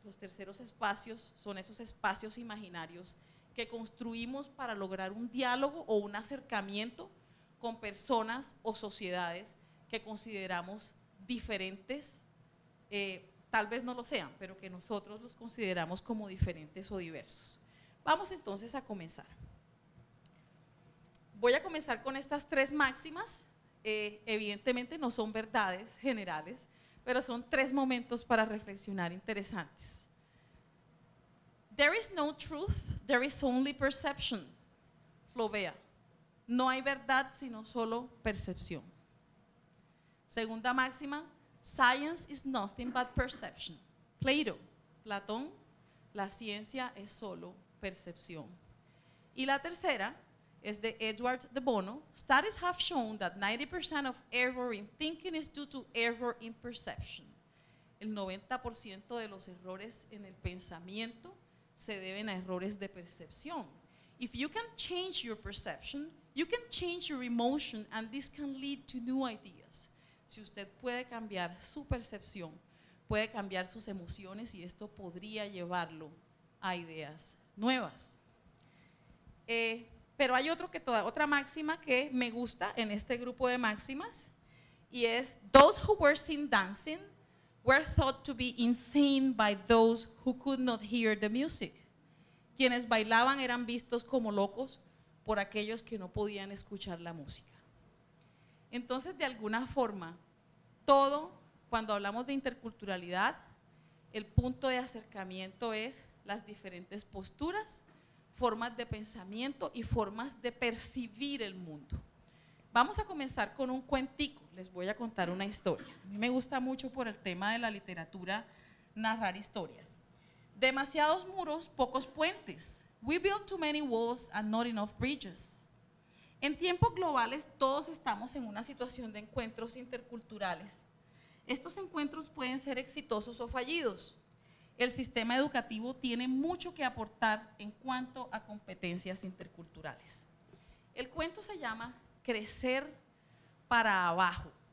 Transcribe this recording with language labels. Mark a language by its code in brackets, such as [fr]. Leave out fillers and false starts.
[es] Los terceros espacios son esos espacios imaginarios que construimos para lograr un diálogo o un acercamiento con personas o sociedades que consideramos diferentes, tal vez no lo sean, pero que nosotros los consideramos como diferentes o diversos. Vamos entonces a comenzar. Voy a comenzar con estas tres máximas, evidentemente no son verdades generales, pero son tres momentos para reflexionar interesantes. [en] There is no truth, there is only perception. [es] Flaubert. No hay verdad, sino solo percepción. Segunda máxima, [en] science is nothing but perception. Plato. [es] Platón, la ciencia es solo percepción. Y la tercera es de Edward de Bono. [en] Studies have shown that 90% of error in thinking is due to error in perception. [es] El 90% de los errores en el pensamiento se deben a errores de percepción. [en] If you can change your perception, you can change your emotion, and this can lead to new ideas. [es] Si usted puede cambiar su percepción, puede cambiar sus emociones y esto podría llevarlo a ideas nuevas. Pero hay otra máxima que me gusta en este grupo de máximas y es: [en] those who were seen dancing were thought to be insane by those who could not hear the music. [es] Quienes bailaban eran vistos como locos por aquellos que no podían escuchar la música. Entonces, de alguna forma, todo, cuando hablamos de interculturalidad, el punto de acercamiento es las diferentes posturas, formas de pensamiento y formas de percibir el mundo. Vamos a comenzar con un cuentico, les voy a contar una historia. A mí me gusta mucho por el tema de la literatura narrar historias. Demasiados muros, pocos puentes. [en] We build too many walls and not enough bridges. [es] En tiempos globales todos estamos en una situación de encuentros interculturales. Estos encuentros pueden ser exitosos o fallidos. El sistema educativo tiene mucho que aportar en cuanto a competencias interculturales. El cuento se llama Crecer para Abajo.